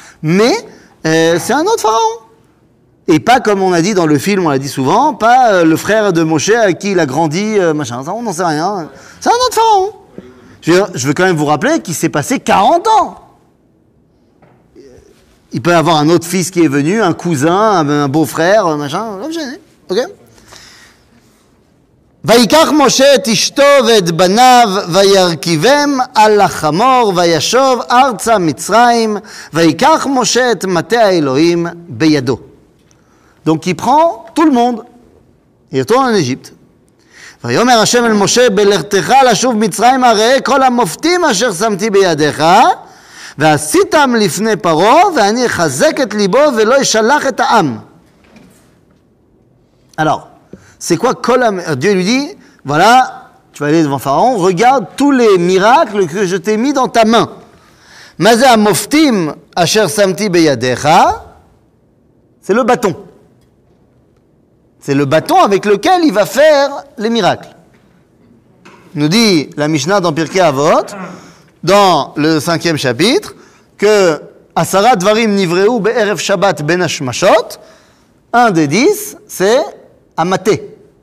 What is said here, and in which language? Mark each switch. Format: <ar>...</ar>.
<fr>Mais c'est un autre pharaon. Et pas comme on a dit dans le film, on l'a dit souvent, pas le frère de Moshe à qui il a grandi, machin. Ça, on n'en sait rien. C'est un autre pharaon. Je veux quand même vous rappeler qu'il s'est passé 40 ans. Il peut y avoir un autre fils qui est venu, un cousin, un beau-frère, machin. Ok.</fr> <he>ויקח משה את אשתו ואת בניו וירכיבם על החמור וישוב ארצה מצרים ויקח משה את מטה האלוהים בידו.</he> <fr>Donc il prend tout le monde. Il retourne en Égypte.</fr> <he>ויאמר השם אל משה בלכתך לשוב מצרים הרי כל המופתים אשר שמתי בידיך ועשיתם לפני פרעה ואני אחזק את ליבו ולא ישלח את העם.</he> <fr>Alors, c'est quoi Colam? Dieu lui dit, voilà, tu vas aller devant Pharaon, regarde tous les miracles que je t'ai mis dans ta main.</fr> <he>Maza moftim asher samti beyadecha,</he> <fr>c'est le bâton. C'est le bâton avec lequel il va faire les miracles. Nous dit la Mishnah dans Pirkei Avot, dans le cinquième chapitre, que</fr> <he>Asara dvarim nivreu be'erev Shabbat ben Hashmashot,</he> <fr>un des dix, c'est Amaté.</fr>